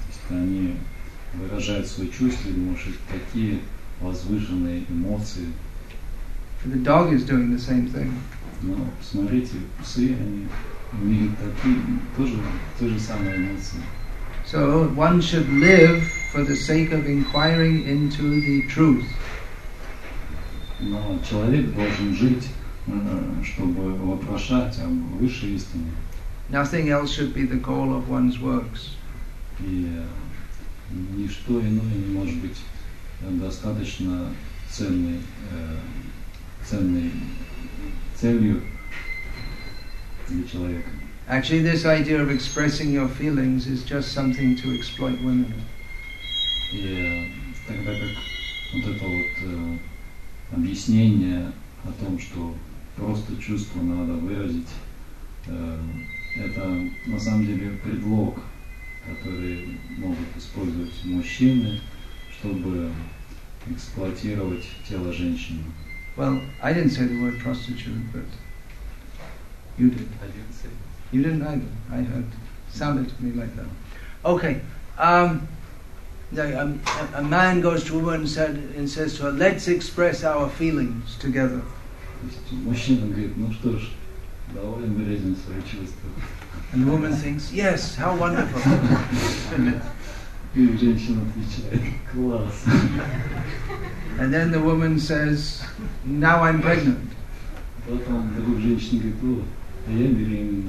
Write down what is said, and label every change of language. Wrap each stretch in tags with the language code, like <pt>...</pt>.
<ru>Они выражают свои чувства, может, такие возвышенные эмоции.</ru> <en>The dog is doing the same thing.</en> <ru>Но посмотрите, псы, они имеют такие тоже те же самые эмоции.</ru> <en>So one should live for the sake of inquiring into the truth.</en> <ru>Но человек должен жить, чтобы вопрошать о высшей истине.</ru> <en>Nothing else should be the goal of one's works.</en> <ru>И ничто иное не может быть достаточно ценной целью для человека.</ru> <en>Actually, this idea of expressing your feelings is just something to exploit women.</en> <ru>Yeah, тогда как вот это вот объяснение о том, что просто чувство надо выразить, это на самом деле предлог, который могут использовать мужчины, чтобы эксплуатировать тело женщины.</ru> <en>Well, I didn't say the word prostitute, but you did. I didn't say. You didn't either. I heard. Sounded to me like that. Okay. A man goes to a woman and says to her, "Let's express our feelings together."</en> <ru>Мужчина говорит, ну что ж, давай выразим свои чувства.</ru> <en>And the woman thinks, "Yes, how wonderful."</en> <ru>И женщина отвечает, класс.</ru> <en>And then the woman says, "Now I'm pregnant."</en> <ru>Потом другая женщина говорит, о.</ru>